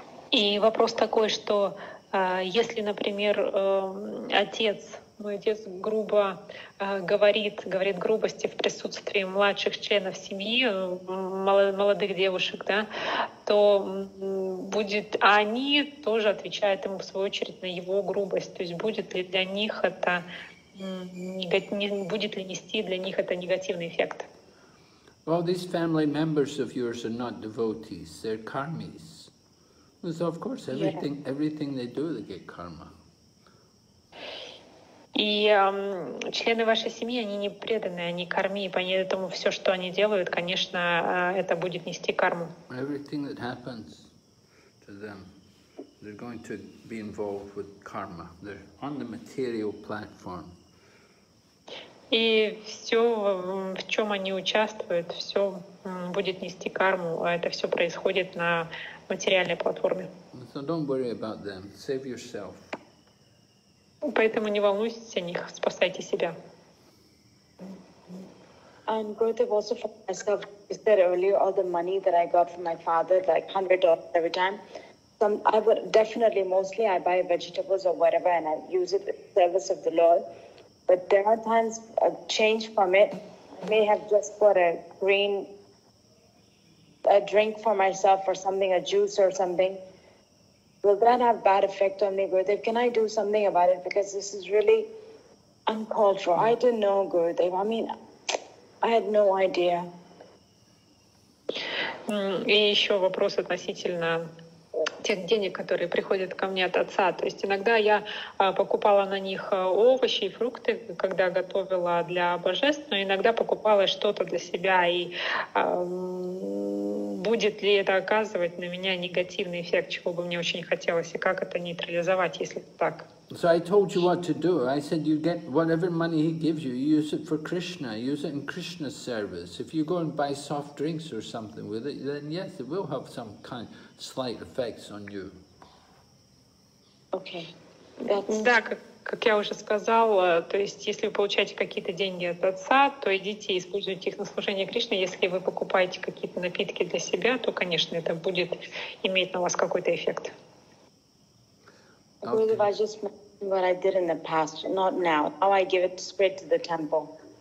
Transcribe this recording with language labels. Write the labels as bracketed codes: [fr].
[ru] И вопрос такой, что если, например, отец грубо говорит грубости в присутствии младших членов семьи, молодых девушек, да, то будет, а они тоже отвечают ему в свою очередь на его грубость, то есть будет ли для них это будет ли нести для них это негативный эффект? [en] Well, these family members of yours are not devotees, they're karmis. So of course, everything they do, they get karma. [ru] И члены вашей семьи, они не преданы, они карми, поэтому все, что они делают, конечно, это будет нести карму. [en] Everything that happens to them, they're going to be involved with karma. They're on the material platform. [ru] И все, в чем они участвуют, все будет нести карму, а это все происходит на материальной платформе. [en] So don't worry about them. Save yourself. [ru] Поэтому не волнуйтесь о них, спасайте себя. [en] And Gurudev also for myself, he said earlier all the money that I got from my father, like $100 every time. Some I would definitely mostly I buy vegetables or whatever and I use it in service of the Lord. But there are times a change from it. I may have just bought a drink for myself or something, a juice or something. Will that have bad effect on me, Gurudev? Can I do something about it? Because this is really uncalled for. I didn't know, Gurudev. I mean, I had no idea. [ru] И еще вопрос относительно тех денег, которые приходят ко мне от отца. То есть иногда я покупала на них овощи и фрукты, когда готовила для божеств, но иногда покупала что-то для себя. И будет ли это оказывать на меня негативный эффект, чего бы мне очень хотелось, и как это нейтрализовать, если так? [en] So I told you what to do. I said you get whatever money he gives you, you use it for Krishna, use it in Krishna's service. If you go and buy soft drinks or something with it, then yes, it will have some kind of slight effects on you. Okay. [ru] Да, как я уже сказал, то есть если вы получаете какие-то деньги от отца, то идите и используйте их на служение Кришне. Если вы покупаете какие-то напитки для себя, то, конечно, это будет иметь на вас какой-то эффект. [en] Okay. Gurudev, I just remember what I did in the past, not now. Now I give it straight to the temple.